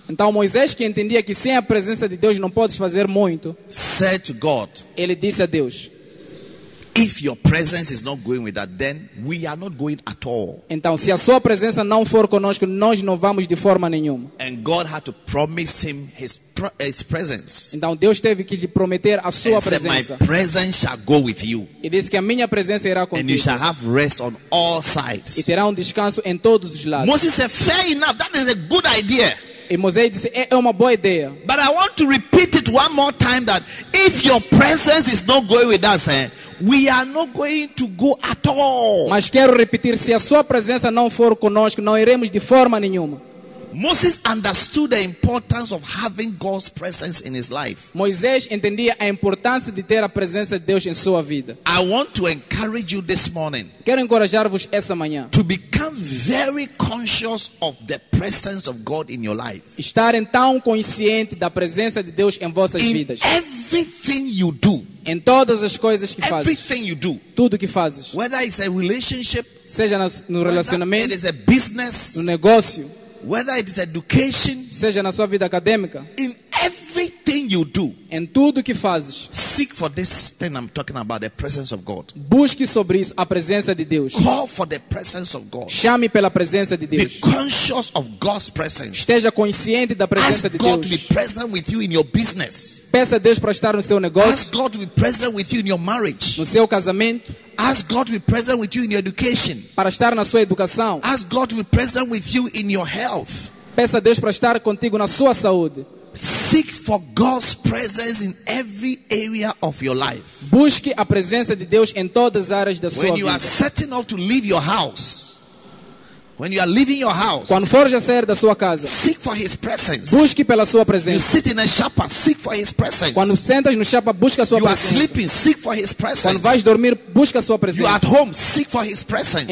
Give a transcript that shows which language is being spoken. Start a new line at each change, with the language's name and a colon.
Portuguese: Então Moisés, que entendia que sem a presença de Deus não podes fazer muito,
English: said to God,
Portuguese: ele disse a Deus,
English: if your presence is not going with us, then we are not going at all.
Portuguese: Então, se a sua presença não for conosco, nós não vamos de forma nenhuma.
English: And God had to promise him his presence.
Portuguese: Então, Deus teve que lhe prometer a sua
English: and
Portuguese: presença.
English: Said, my presence shall go with you.
Portuguese: E disse que a minha presença irá contigo.
English: And you shall have rest on all sides.
Portuguese: E terá descanso em todos os lados.
English: Moses said, fair enough, that is a good idea.
Portuguese: E Moisés disse, é uma boa ideia.
English: But I want to repeat it one more time that if your presence is not going with us, we are not going to go at all.
Portuguese: Mas quero repetir, se a sua presença não for conosco, não iremos de forma nenhuma.
English: Moses understood the importance of having God's presence in his life.
Portuguese: Moisés entendia a importância de ter a presença de Deus em sua vida.
English: I want to encourage you this morning.
Portuguese: Quero encorajar-vos essa manhã.
English: To become very conscious of the presence of God in your life.
Portuguese: Estar então consciente da presença de Deus em vossas
English: in
Portuguese: vidas.
English: Everything you do.
Portuguese: Em todas as coisas que fazes.
English: Everything you do.
Portuguese: Tudo que fazes.
English: Whether it's a relationship.
Portuguese: Seja no relacionamento.
English: Whether it is a business.
Portuguese: No negócio.
English: Whether it is education,
Portuguese: seja na sua vida acadêmica,
English: in everything you do,
Portuguese: em tudo que fazes,
English: seek for this thing I'm talking about, the presence of God.
Portuguese: Busque sobre isso a presença de Deus.
English: Call for the presence of God.
Portuguese: Chame pela presença de Deus.
English: Be conscious of God's presence.
Portuguese: Esteja consciente da presença
English: ask
Portuguese: de
English: God
Portuguese: Deus.
English: To be present with you in your business.
Portuguese: Peça a Deus para estar no seu negócio.
English: Ask God to be present with you in your marriage.
Portuguese: No seu casamento.
English: Ask God to be present with you in your education.
Portuguese: Para estar na sua educação.
English: Ask God to be present with you in your health.
Portuguese: Peça a Deus para estar contigo na sua saúde.
English: Seek for God's presence in every area of your life.
Portuguese: Busque a presença de Deus em todas as áreas da sua vida.
English: When you are setting off to leave your house, When you are leaving your house,
Portuguese: quando for já sair da sua casa,
English: seek for his presence.
Portuguese: Busque pela sua presença.
English: You sit in a chapa, seek for his presence.
Portuguese: Quando sentas no chapa, busca a sua
English: you
Portuguese: presença.
English: You are sleeping, seek for his presence.
Portuguese: Quando vais dormir, busca a sua presença.
English: You are at home, seek for his presence.